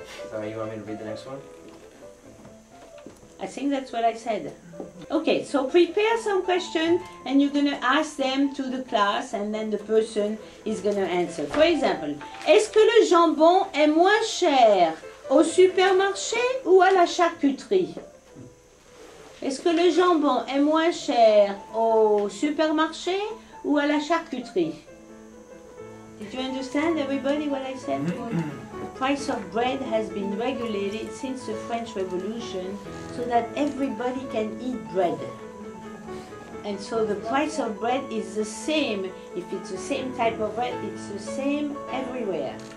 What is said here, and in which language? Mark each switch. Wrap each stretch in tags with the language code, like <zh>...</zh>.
<en>Sorry, you want me to read the next one? I think that's what I said. Okay, so prepare some questions and you're going to ask them to the class and then the person is going to answer. For example,</en> <fr>est-ce que le jambon est moins cher au supermarché ou à la charcuterie? Est-ce que le jambon est moins cher au supermarché ou à la charcuterie?</fr> <en>Did you understand everybody what I said? Price of bread has been regulated since the French Revolution so that everybody can eat bread. And so the price of bread is the same. If it's the same type of bread, it's the same everywhere.</en>